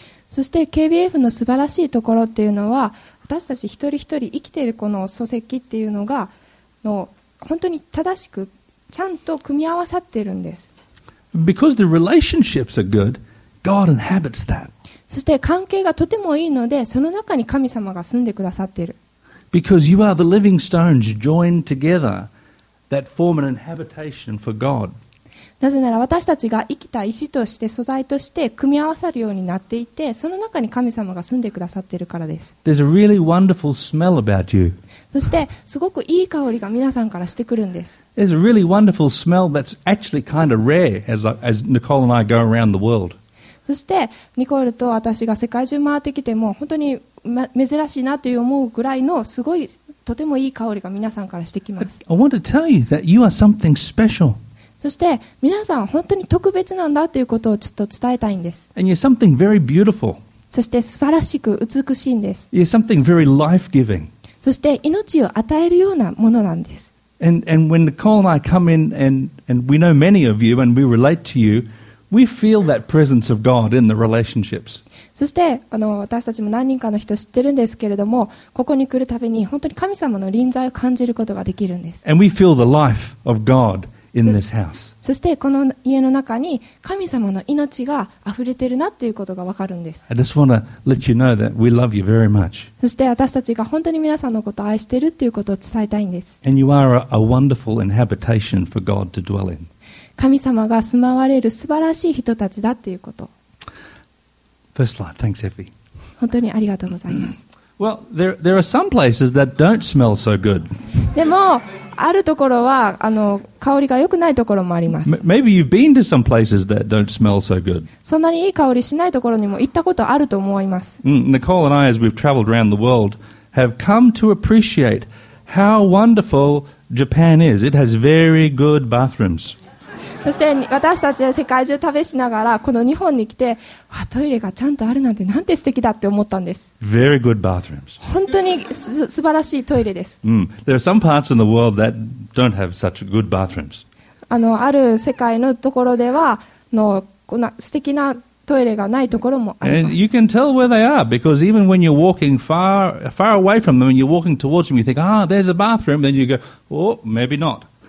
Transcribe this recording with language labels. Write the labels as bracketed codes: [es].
[ja] そして KBF の素晴らしいところっていうのは私たち一人一人生きているこの礎石っていうのがの本当に正しくちゃんと組み合わさっているんです。 [en] Because the relationships are good, God inhabits that. [ja] そして関係がとてもいいのでその中に神様が住んでくださっている。 [en] Because you are the living stones joined together that form an inhabitation for God. [ja] なぜなら私たちが生きた石として素材として組み合わさるようになっていてその中に神様が住んでくださっているからです。 [en] There's a really wonderful smell about you. [ja] そしてすごくいい香りが皆さんからしてくるんです。 [en] There's a really wonderful smell that's actually kind of rare as Nicole and I go around the world. [ja] そしてニコールと私が世界中回ってきても本当に珍しいなという思うぐらいのすごいとてもいい香りが皆さんからしてきます。 [en] I want to tell you that you are something special. [ja] そして皆さん本当に特別なんだということをちょっと伝えたいんです。 [en] And you're something very beautiful. [ja] そして素晴らしく美しいんです。 [en] You're something very life-giving. [ja] そして命を与えるようなものなんです。 [en] And when Nicole and I come in and we know many of you and we relate to you, we feel that presence of God in the relationships. [ja] そして私たちも何人かの人知ってるんですけれどもここに来るたびに本当に神様の臨在を感じることができるんです。 [en] And we feel the life of GodIn this house. [ja] そしてこの家の中に神様の命があふれてるなっていうことがわかるんです。 [en] I just want to let you know that we love you very much. [ja] そして私たちが本当に皆さんのことを愛してるっていうことを伝えたいんです。 [en] And you are a wonderful inhabitation for God to dwell in. [ja] 神様が住まわれる素晴らしい人たちだっていうこと。 [en] First slide. Thanks, Effie. [ja] 本当にありがとうございます。 [en] Well, there are some places that don't smell so good. [ja] でもあるところは香りが良くないところもあります。 [en] Maybe you've been to some places that don't smell so good. [ja] そんなにいい香りしないところにも行ったことあると思います、 [en] Nicole and I, as we've traveled around the world, have come to appreciate how wonderful Japan is. It has very good bathrooms. [ja] そして私たちは世界中旅しながらこの日本に来てトイレがちゃんとあるなんてなんて素敵だって思ったんです。 [en] Very good bathrooms. [ja] 本当に素晴らしいトイレです、 [en] There are some parts in the world that don't have such good bathrooms. [ja] ある世界のところではこんな素敵なトイレがないところもあります。 [en] And you can tell where they are because even when you're walking far away from them and you're walking towards them you think, ah, there's a bathroom, then you go, oh, maybe not.